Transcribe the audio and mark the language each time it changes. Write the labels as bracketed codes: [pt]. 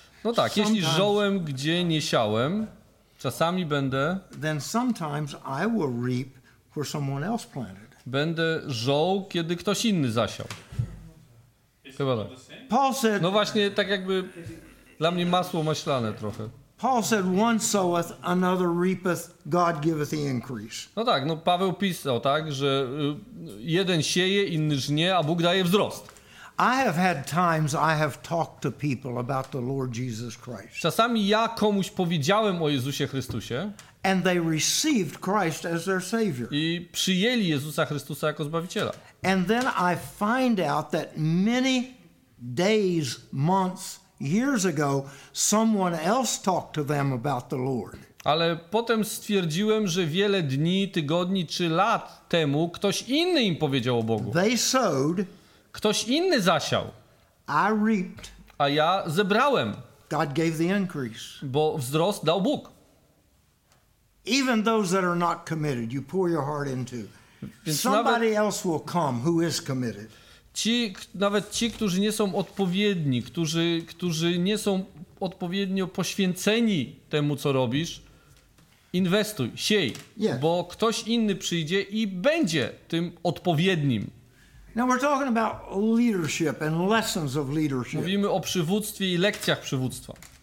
[pl] No tak, jeśli żołem, gdzie nie siałem, czasami będę. [en] Then sometimes I will reap where someone else planted. [pl] Będę żął, kiedy ktoś inny zasiał. Chyba tak. [en] Paul said. [pl] No właśnie, tak jakby dla mnie masło maślane trochę. [en] Paul said, one soweth, another reapeth, God giveth the increase. [pl] No tak, no Paweł pisał tak, że jeden sieje, inny żnie, a Bóg daje wzrost. [en] I have had times I have talked to people about the Lord Jesus Christ. [pl] Czasami ja komuś powiedziałem o Jezusie Chrystusie. [en] And they received Christ as their savior. [pl] I przyjęli Jezusa Chrystusa jako Zbawiciela. [en] And then I find out that many days, months, years ago, someone else talked to them about the Lord. [pl] Ale potem stwierdziłem, że wiele dni, tygodni czy lat temu ktoś inny im powiedział o Bogu. [en] They sowed. [pl] Ktoś inny zasiał. [en] I reaped. [pl] A ja zebrałem. [en] God gave the increase. [pl] Bo wzrost dał Bóg. [en] Even those that are not committed, you pour your heart into. Somebody else will come who is committed. [pl] Nawet ci, którzy nie są odpowiedni, którzy nie są odpowiednio poświęceni temu, co robisz, inwestuj, siej, [en] yes. [pl] Bo ktoś inny przyjdzie i będzie tym odpowiednim. [en] Now we're talking about leadership and lessons of leadership. [pl] Mówimy o przywództwie i lekcjach przywództwa.